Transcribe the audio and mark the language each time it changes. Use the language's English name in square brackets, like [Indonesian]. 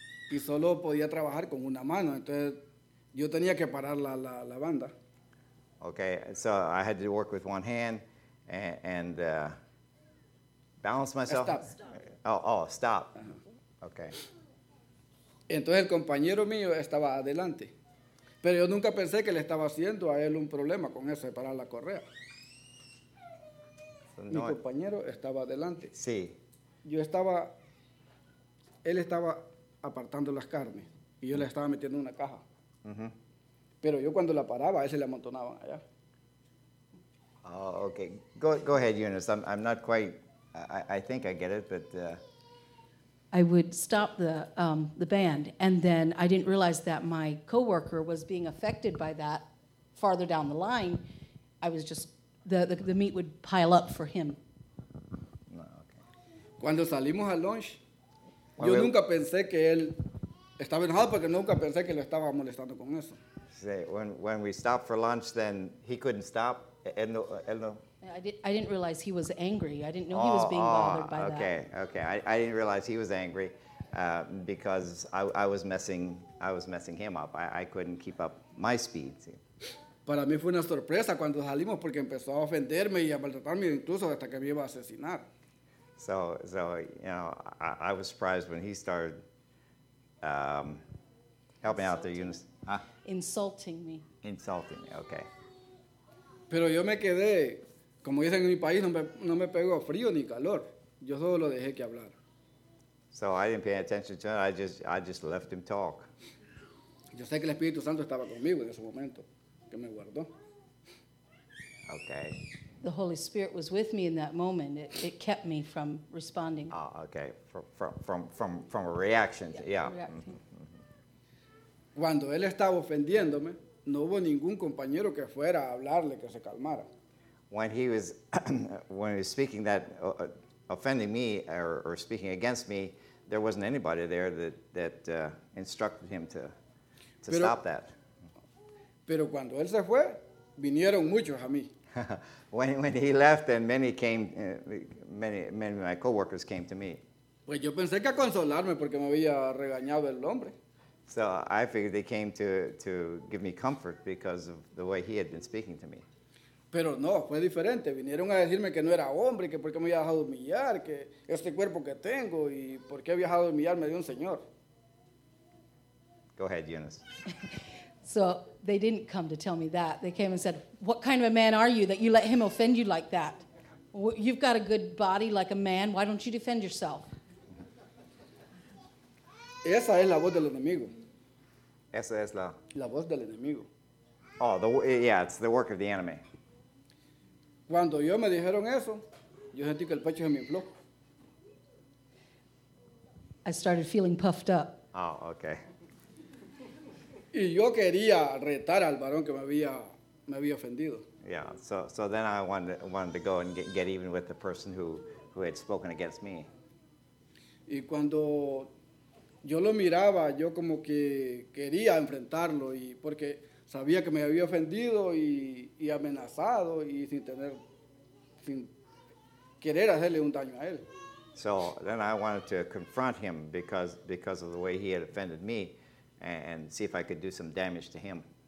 [Spanish] Y solo podía trabajar con una mano, entonces yo tenía que parar la banda. [English] Okay, so I had to work with one hand. And balance myself. Stop. Uh-huh. Okay. [Spanish] Entonces el compañero mío estaba adelante, pero yo nunca pensé que le estaba haciendo a él un problema con eso de parar la correa. So, mi compañero estaba adelante. Sí. Yo estaba. Él estaba apartando las carnes y yo le estaba metiendo una caja. Uh-huh. Pero yo cuando la paraba, él se la amontonaba allá. [English] Oh, okay. Go ahead, Eunice. I'm not quite. I think I get it, but I would stop the band, and then I didn't realize that my coworker was being affected by that. Farther down the line, I was just the meat would pile up for him. Okay. [Spanish] Cuando salimos al lunch, yo nunca pensé que él estaba enojado porque nunca pensé que lo estaba molestando con eso. [English] Say when we stopped for lunch, then he couldn't stop. I didn't realize he was angry. I didn't know he was being bothered by that. Okay. I didn't realize he was angry because I was messing him up. I couldn't keep up my speed. [Spanish] Para mí fue una sorpresa cuando salimos porque empezó a ofenderme y a maltratarme incluso hasta que me iba a asesinar. [English] So you know, I was surprised when he started helping out there, Eunice. Huh? Insulting me. Insulting me, okay. [Spanish] Pero yo me quedé, como dicen en mi país, no me pegó frío ni calor. Yo solo lo dejé que hablar. [English] So I didn't pay attention to him. I just left him talk. [Spanish] Yo sé que el Espíritu Santo estaba conmigo en ese momento, que me guardó. [English] Okay. The Holy Spirit was with me in that moment. It kept me from responding. Ah, okay. From a reaction. Yeah. Yeah. [Spanish] Cuando él estaba ofendiéndome, no hubo ningún compañero que fuera a hablarle que se calmara. [English] When he was speaking that offending me or speaking against me, there wasn't anybody there that instructed him to stop that. [Spanish] Pero cuando él se fue, vinieron muchos a mí. [English] when he left, then many came, many of my coworkers came to me. [Spanish] Pues yo pensé que a consolarme porque me había regañado el hombre. [English] So I figured they came to give me comfort because of the way he had been speaking to me. [Spanish] Pero no, fue diferente. Vinieron a decirme que no era hombre, que por qué me había dejado humillar, que este cuerpo que tengo y por qué había dejado humillarme de un señor. [English] Go ahead, Eunice. So they didn't come to tell me that. They came and said, what kind of a man are you that you let him offend you like that? You've got a good body like a man. Why don't you defend yourself? [Spanish] Esa es la voz del enemigo. Esa es la... La voz del enemigo. [English] Oh, it's the work of the enemy. [Spanish] Cuando yo me dijeron eso, yo sentí que el pecho se me infló. [English] I started feeling puffed up. Oh, okay. [Spanish] Y yo quería retar al varón que me había ofendido. [English] Yeah, so then I wanted to go and get even with the person who had spoken against me. [Spanish] Y cuando yo lo miraba, yo como que quería enfrentarlo y porque sabía que me había ofendido y amenazado y sin querer hacerle un daño a él. [English] So then I wanted to confront him because of the way he had offended me and see if I could do some damage to him.